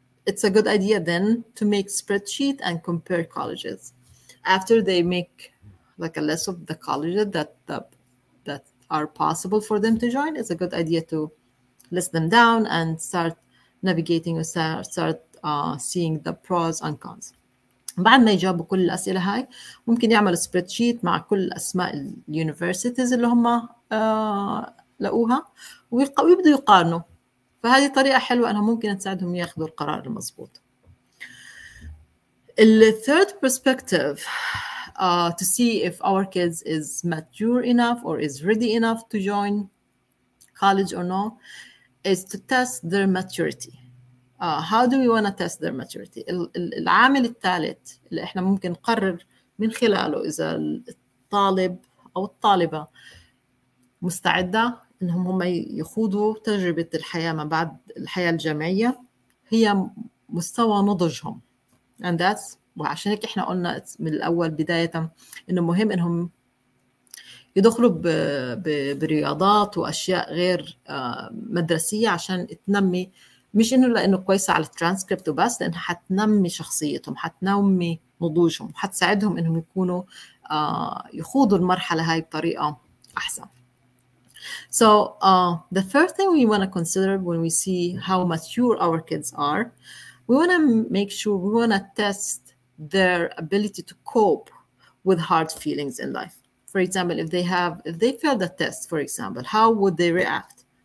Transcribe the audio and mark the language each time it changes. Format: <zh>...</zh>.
<en>It's a good idea then to make spreadsheet and compare colleges. After they make like a list of the colleges that are possible for them to join, it's a good idea to list them down and start navigating or start seeing the pros and cons.</en> <ar>بعد ما يجاوبوا كل الأسئلة هاي، ممكن يعملوا spreadsheet مع كل أسماء universities اللي هم لقوها ويبدوا يقارنوا. فهذه طريقة حلوة أنها ممكن تساعدهم ياخذوا القرار المضبوط.</ar> <en>The third perspective to see if our kids is mature enough or is ready enough to join college or not is to test their maturity. How do we want to test their maturity?</en> <ar>العامل الثالث اللي احنا ممكن نقرر من خلاله إذا الطالب أو الطالبة مستعدة إنهم هم يخوضوا تجربة الحياة ما بعد الحياة الجامعية هي مستوى نضجهم.</ar> <en>And that's</en> <ar>وعشان هيك احنا قلنا من الأول بداية إنه مهم إنهم يدخلوا برياضات وأشياء غير مدرسية عشان تنمي، مش إنه لأنه كويسة على الترانسكريبت وبس، لأنها حتنمي شخصيتهم، حتنمي نضوجهم، حتساعدهم إنهم يكونوا يخوضوا المرحلة هاي بطريقة أحسن.</ar> <en>So the first thing we want to consider when we see how mature our kids are, we want to make sure, we want to test their ability to cope with hard feelings in life. for example, if they fail the test, for example, how would they react?</en>